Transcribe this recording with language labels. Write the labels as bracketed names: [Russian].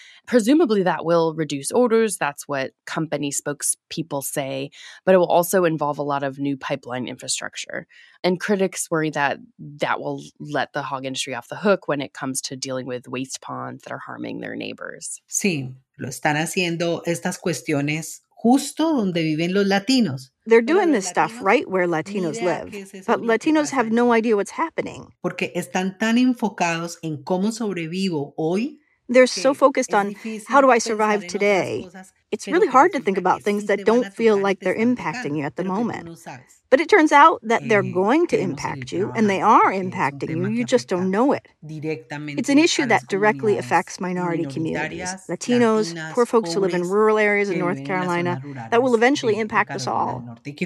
[English] Presumably that will reduce odors. That's what company spokespeople say, but it will also involve a lot of new pipeline infrastructure. And critics worry that that will let the hog industry off the hook when it comes to dealing with waste ponds that are harming their neighbors. [Spanish] Sí, lo están haciendo estas cuestiones justo donde viven los latinos. [English] They're doing this stuff right where Latinos live, but Latinos have no idea what's happening. [Spanish] Porque están tan enfocados en cómo sobrevivo hoy. [English] They're so focused on how do I survive today? It's really hard to think about things that don't feel like they're impacting you at the moment. But it turns out that they're going to impact you, and they are impacting you. You just don't know it. It's an issue that directly affects minority communities, Latinos, poor folks who live in rural areas in North Carolina, that will eventually impact us all.